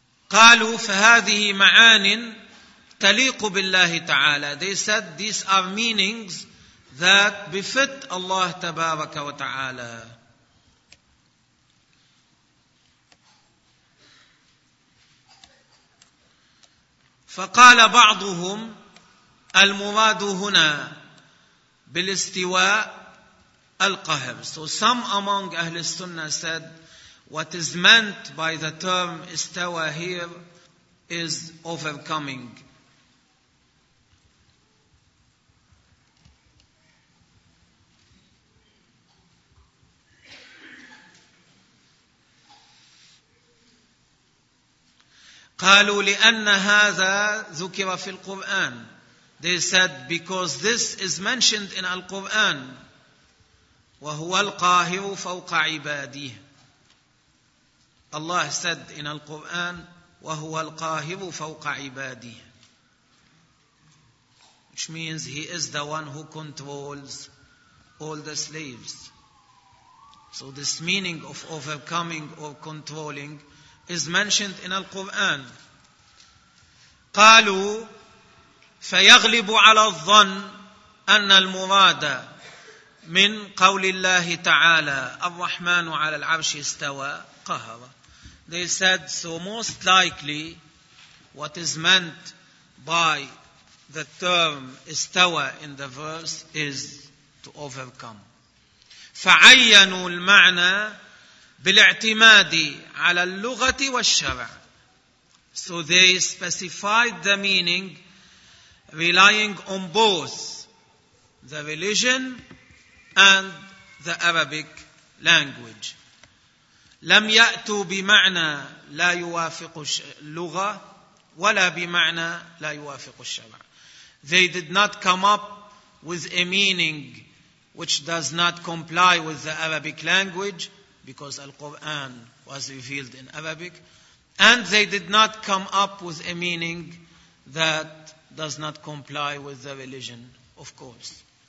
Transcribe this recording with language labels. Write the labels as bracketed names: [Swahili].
[Arabic] قالوا فهذه معان تليق بالله تعالى. [English] They said these are meanings that befit Allah [Arabic] تبارك وتعالى. فقال بعضهم المراد هنا بالاستواء القهر. [English] So some among أهل السنة said what is meant by the term استوى here is overcoming. [Arabic] قالوا لأن هذا ذكر في القرآن. [English] They said because this is mentioned in Al-Quran. [Arabic] وهو القاهر فوق عباده. [English] Allah said in Al-Quran [Arabic] وهو القاهر فوق عباده. [English] Which means he is the one who controls all the slaves. So this meaning of overcoming or controlling is mentioned in Al-Quran. [Arabic] قالوا فيغلب على الظن أن المراد من قول الله تعالى الرحمن على العرش استوى قهرا. [English] They said so most likely what is meant by the term استوى in the verse is to overcome. [Arabic] فعينوا المعنى بالاعتماد على اللغة والشرع. [English] So they specified the meaning relying on both the religion and the Arabic language. [Arabic] لم يأتوا بمعنى لا يوافق اللغة ولا بمعنى لا يوافق الشرع. [English] They did not come up with a meaning which does not comply with the Arabic language, because Al-Quran was revealed in Arabic, and they did not come up with a meaning that does not comply with the religion, of course.